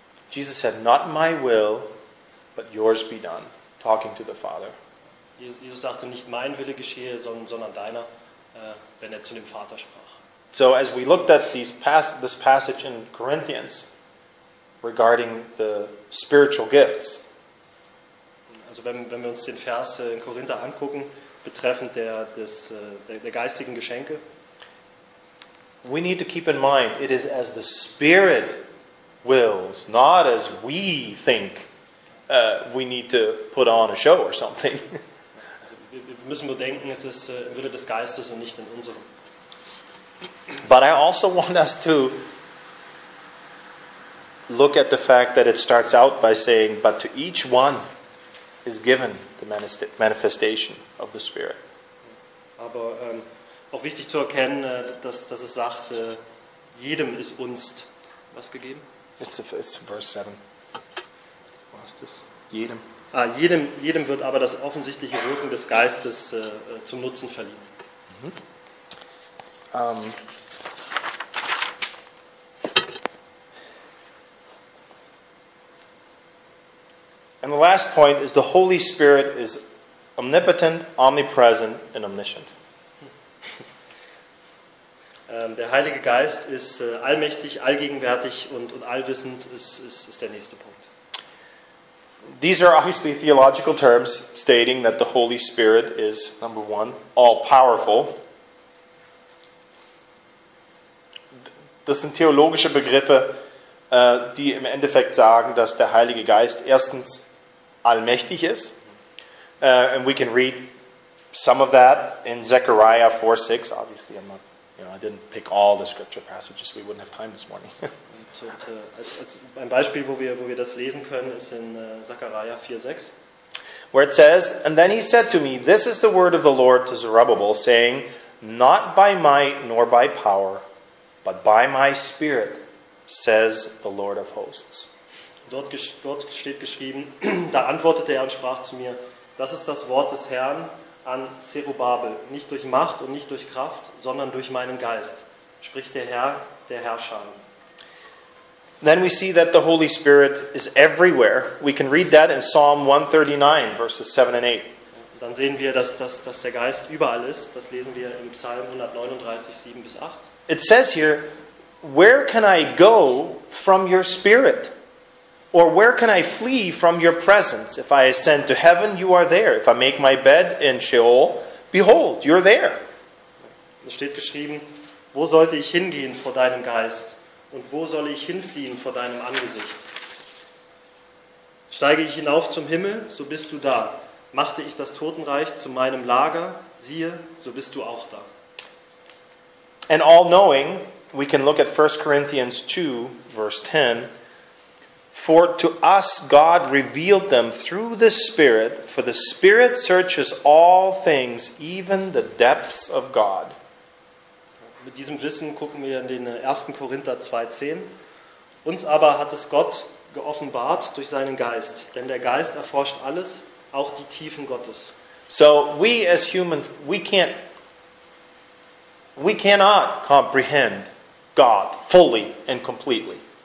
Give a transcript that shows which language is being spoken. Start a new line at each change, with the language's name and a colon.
English: Jesus said, "Not my will, but yours be done." Talking to the Father.
German: Jesus sagte, nicht mein Wille geschehe, sondern deiner, wenn er zu dem Vater sprach.
English: So as we looked at this passage in Corinthians regarding the spiritual gifts.
German: Also wenn wir uns den Vers in Korinther angucken, betreffend der geistigen Geschenke.
English: We need to keep in mind, it is as the Spirit wills, not as we think we need to put on a show or something.
German: Wir müssen bedenken, es ist im Wille des Geistes und nicht in unserem.
English: But I also want us to look at the fact that it starts out by saying, but to each one is given the manifestation of the Spirit.
German: Aber auch wichtig zu erkennen, dass es sagt, jedem ist uns was gegeben?
English: It's verse 7.
German: Was ist das? Jedem. Ah, jedem wird aber das offensichtliche Wirken des Geistes zum Nutzen verliehen. Mm-hmm.
English: And the last point is the Holy Spirit is omnipotent, omnipresent and omniscient.
German: Der Heilige Geist ist allmächtig, allgegenwärtig und allwissend ist der nächste Punkt.
English: These are obviously theological terms stating that the Holy Spirit is, number one, all-powerful.
German: Das sind theologische Begriffe, die im Endeffekt sagen, dass der Heilige Geist erstens allmächtig ist.
English: And we can read some of that in Zechariah 4:6. Obviously, I didn't pick all the scripture passages. We wouldn't have time this morning.
German: Als ein Beispiel, wo wir das lesen können, ist in Zechariah 4:6,
English: where it says, "And then he said to me, 'This is the word of the Lord to Zerubbabel, saying, Not by might nor by power, but by my Spirit, says the Lord of hosts.'"
German: Dort steht geschrieben. Da antwortete er und sprach zu mir: "Das ist das Wort des Herrn an Zerubbabel, nicht durch Macht und nicht durch Kraft, sondern durch meinen Geist, spricht der Herr, der Herrscher."
English: Then we see that the Holy Spirit is everywhere. We can read that in Psalm 139, verses 7 and 8.
German: Dann sehen wir, dass der Geist überall ist. Das lesen wir im Psalm 139, 7 bis 8.
English: It says here, where can I go from your spirit? Or where can I flee from your presence? If I ascend to heaven, you are there. If I make my bed in Sheol, behold, you're there.
German: Es steht geschrieben, wo sollte ich hingehen vor deinem Geist? Und wo soll ich hinfliehen vor deinem Angesicht? Steige ich hinauf zum Himmel, so bist du da. Machte ich das Totenreich zu meinem Lager, siehe, so bist du auch da.
English: And all knowing, we can look at 1 Corinthians 2, verse 10. For to us God revealed them through the Spirit, for the Spirit searches all things, even the depths of God.
German: Mit diesem Wissen gucken wir in den 1. Korinther 2,10. Uns aber hat es Gott geoffenbart durch seinen Geist, denn der Geist erforscht alles, auch die Tiefen Gottes.
English: So we as humans, we cannot comprehend God fully and completely.